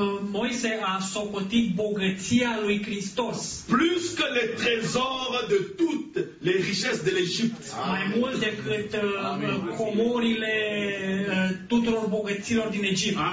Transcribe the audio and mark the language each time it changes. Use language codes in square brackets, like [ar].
[ro] Moise a socotit bogăția lui Hristos. [fr] Plus que les trésors de toutes les richesses de l'Egypte. [ro] Mai mult decât comorile tuturor bogăților din Egipt.